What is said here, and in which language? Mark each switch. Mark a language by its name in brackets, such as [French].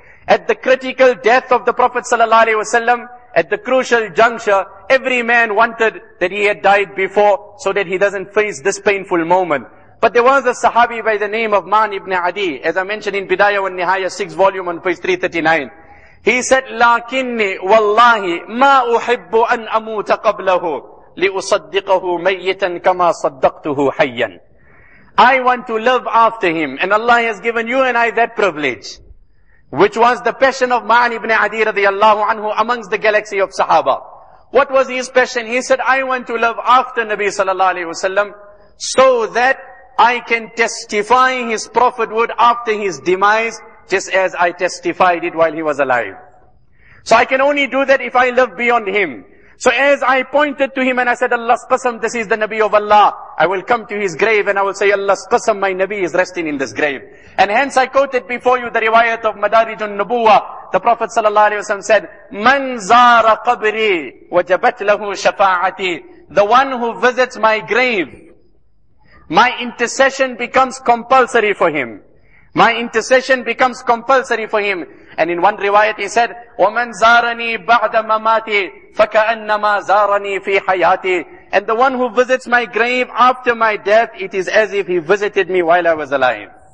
[English] At the critical death of the Prophet sallallahu alayhi wasallam, at the crucial juncture, every man wanted that he had died before so that he doesn't face this painful moment. But there was a sahabi by the name of Ma'an ibn Adi, as I mentioned in Bidayah wa Nihaya, 6th volume on page 339. He said, [Arabic] لَكِنِّي وَاللَّهِ مَا أُحِبُّ أَنْ أَمُوتَ قَبْلَهُ لِأُصَدِّقَهُ مَيِّتًا كَمَا صَدَّقْتُهُ حَيًّا. [English] I want to live after him, and Allah has given you and I that privilege, which was the passion of Ma'an ibn Adi radiallahu anhu amongst the galaxy of Sahaba. What was his passion? He said, I want to live after Nabi sallallahu alayhi wasallam so that I can testify his prophethood after his demise, just as I testified it while he was alive. So I can only do that if I live beyond him. So as I pointed to him and I said, Allah's Qasam, this is the Nabi of Allah, I will come to his grave and I will say, Allah's Qasam, my Nabi is resting in this grave. And hence I quoted before you the riwayat of Madarijun Nubuwa. The Prophet sallallahu alayhi wasallam said, [Arabic] Man zara qabri wajabat lahu shafa'ati. [English] The one who visits my grave, my intercession becomes compulsory for him. My intercession becomes compulsory for him. And in one riwayat he said, [Arabic] وَمَنْ زَارَنِي بَعْدَ مَمَاتِي فَكَأَنَّمَا زَارَنِي فِي حَيَاتِي. [English] And the one who visits my grave after my death, it is as if he visited me while I was alive.